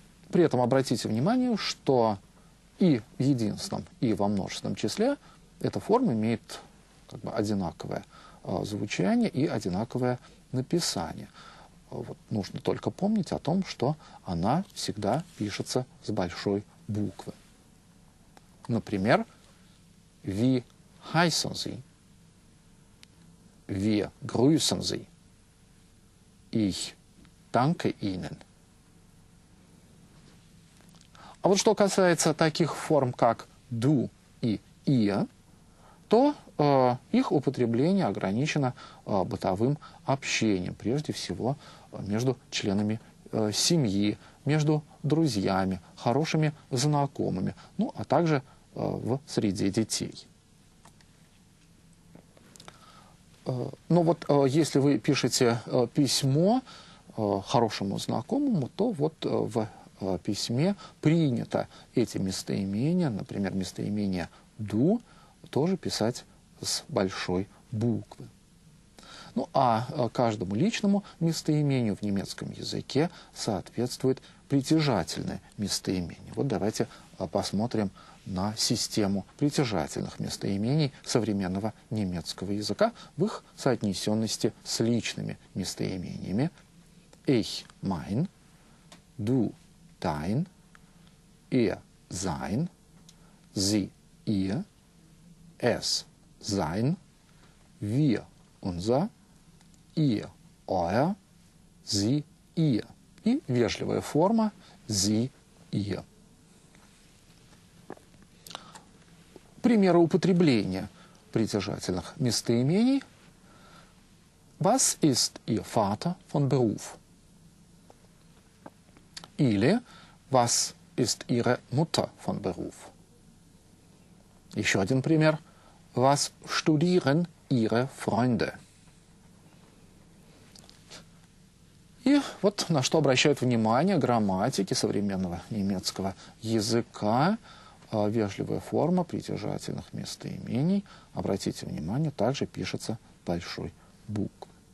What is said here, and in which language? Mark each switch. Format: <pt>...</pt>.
<ru>При этом обратите внимание, что и в единственном, и во множественном числе эта форма имеет как бы одинаковое звучание и одинаковое написание. Вот нужно только помнить о том, что она всегда пишется с большой буквы. Например,</ru> <de>wie heißen Sie, wie grüßen Sie, ich danke Ihnen.</de> <ru>А вот что касается таких форм, как du и ihr, то их употребление ограничено бытовым общением, прежде всего между членами семьи, между друзьями, хорошими знакомыми, ну а также в среде детей. Но вот если вы пишете письмо хорошему знакомому, то вот в письме принято эти местоимения, например, местоимение «ду», тоже писать с большой буквы. Ну, а каждому личному местоимению в немецком языке соответствует притяжательное местоимение. Вот давайте посмотрим на систему притяжательных местоимений современного немецкого языка в их соотнесенности с личными местоимениями.</ru> <de>Ich mein, du dein, er sein, sie ihr, es sein, wir unser, ihr euer, sie, ihr.</de> <ru>И вежливая форма</ru> <de>sie, ihr.</de> <ru>Примеры употребления притяжательных местоимений.</ru> <de>Was ist ihr Vater von Beruf?</de> <ru>Или</ru> <de>was ist ihre Mutter von Beruf?</de> <ru>Еще один пример.</ru> <de>Was studieren ihre Freunde?</de> <ru>И вот на что обращают внимание грамматики современного немецкого языка. Вежливая форма притяжательных местоимений. Обратите внимание, также пишется большой буквой.</ru>